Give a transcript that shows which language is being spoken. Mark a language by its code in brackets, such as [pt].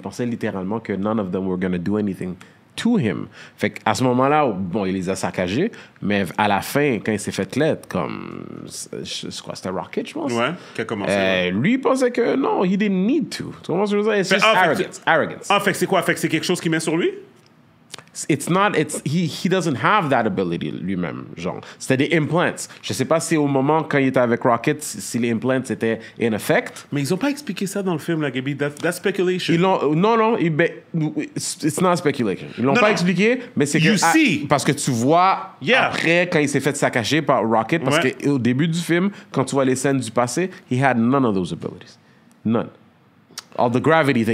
[fr] Il pensait littéralement que [en] none of them were going to do anything to him. [fr] Fait qu'à ce moment-là, bon, il les a saccagés, mais à la fin, quand il s'est fait l'aide, comme... C'est quoi? C'était Rocket, je pense? Ouais, qui a commencé. Lui, il pensait que non, [en] he didn't need to. [fr] Tu comprends ce que je veux dire? C'est juste arrogance. Ah, fait que c'est quoi? Fait que c'est quelque chose qu'il met sur lui? [en] It's not... He doesn't have that ability [fr] lui-même, genre. C'était des implants. Je sais pas si au moment quand il était avec Rocket, si les implants étaient [en] in effect. [fr] Mais ils ont pas expliqué ça dans le film, là, Gabby. [en] That's speculation. It's not speculation. [fr] Ils l'ont expliqué, mais c'est [en] you [fr] que... [en] You see! [fr] Parce que tu vois après, quand il s'est fait saccager par Rocket, parce qu'au début du film, quand tu vois les scènes du passé, [en] he had none of those abilities. None. All the gravity thing.